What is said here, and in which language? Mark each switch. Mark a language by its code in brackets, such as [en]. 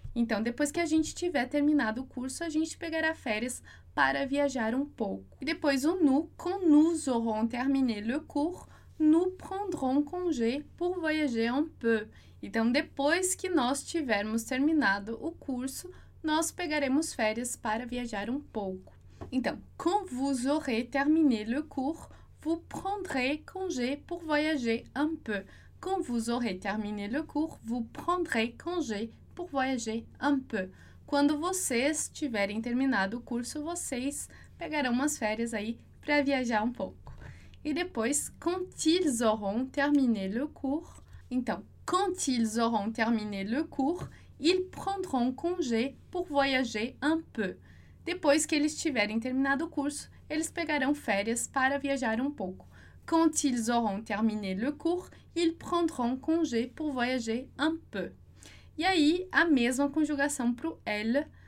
[pt] Então, depois que a gente tiver terminado o curso, a gente pegará férias para viajar um pouco. E depois o [fr] nous, quand nous aurons terminé le cours, nous prendrons congé pour voyager un peu. [pt] Então, depois que nós tivermos terminado o curso, nós pegaremos férias para viajar um pouco. [fr] Então, quand vous aurez terminé le cours, vous prendrez congé pour voyager un peu. Quand vous aurez terminé le cours, vous prendrez congé pour voyager un peu. [pt] Quando vocês tiverem terminado o curso, vocês pegarão umas férias aí para viajar um pouco. [fr] E depois, quand ils auront terminé le cours, então, quand ils auront terminé le cours, ils prendront congé pour voyager un peu. [pt] Depois que eles tiverem terminado o curso, eles pegarão férias para viajar um pouco. [fr] Quand ils auront terminé le cours, ils prendront congé pour voyager un peu. [pt] E aí, a mesma conjugação para o elle.